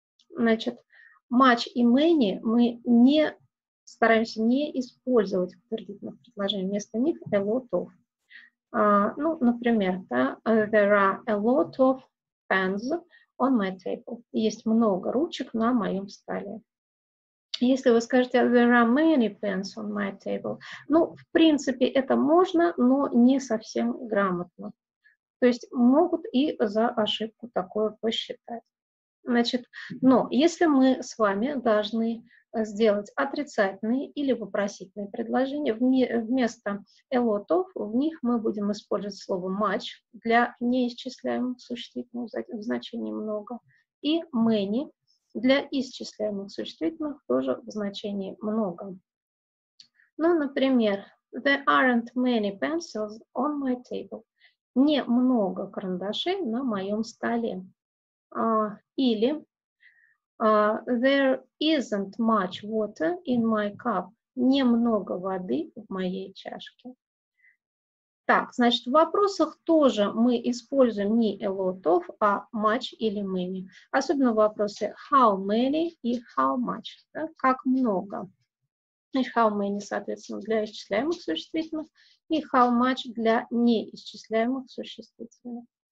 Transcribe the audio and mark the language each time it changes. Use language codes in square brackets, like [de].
[ru] Значит, much и many мы не стараемся не использовать в утвердительных предложениях. Вместо них [en] a lot of. [ru] Ну, например, да, [en] there are a lot of pens on my table. [ru] Есть много ручек на моем столе. Если вы скажете [en] there are many pens on my table, [ru] ну, в принципе, это можно, но не совсем грамотно. То есть могут и за ошибку такое посчитать. Значит, но если мы с вами должны сделать отрицательные или вопросительные предложения, вместо a lot of в них мы будем использовать слово much для неисчисляемых существительных в значении много и many для исчисляемых существительных тоже в значении много. Ну, например, [en] there aren't many pencils on my table. [ru] Немного карандашей на моем столе. Или [en] there isn't much water in my cup. [ru] Немного воды в моей чашке. Так, значит, в вопросах тоже мы используем не a lot of, а much или many. Особенно в вопросе how many и how much. Да? Как много. Значит, how many, соответственно, для исчисляемых существительных и how much для неисчисляемых существительных.